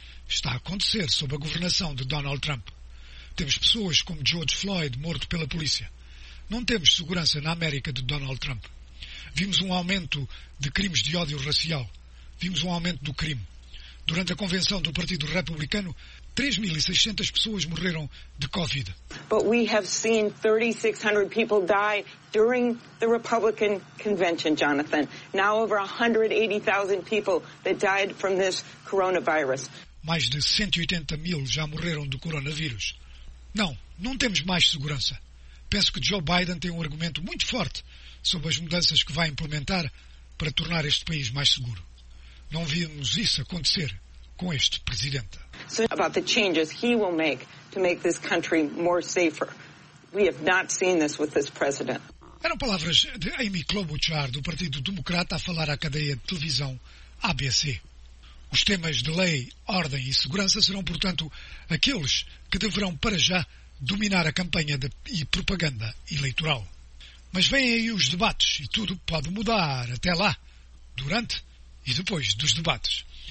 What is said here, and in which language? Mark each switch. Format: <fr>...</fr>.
<pt>Está a acontecer sob a governação de Donald Trump. Temos pessoas como George Floyd morto pela polícia. Não temos segurança na América de Donald Trump. Vimos um aumento de crimes de ódio racial. Vimos um aumento do crime. Durante a convenção do Partido Republicano, 3.600 pessoas morreram de Covid.</pt> <en>But we have seen 3,600 people die during the Republican convention, Jonathan. Now over 180,000 people that died from this coronavirus.</en> <pt>Mais de 180 mil já morreram do coronavírus. Não, não temos mais segurança. Penso que Joe Biden tem um argumento muito forte sobre as mudanças que vai implementar para tornar este país mais seguro. Não vimos isso acontecer com este presidente.</pt> <en>So about the changes he will make to make this country more safer. We have not seen this with this president.</en> <pt>Eram palavras de Amy Klobuchar, do Partido Democrata, a falar à cadeia de televisão ABC. Os temas de lei, ordem e segurança serão, portanto, aqueles que deverão, para já, dominar a campanha e propaganda eleitoral. Mas vêm aí os debates e tudo pode mudar até lá, durante e depois dos debates.</pt>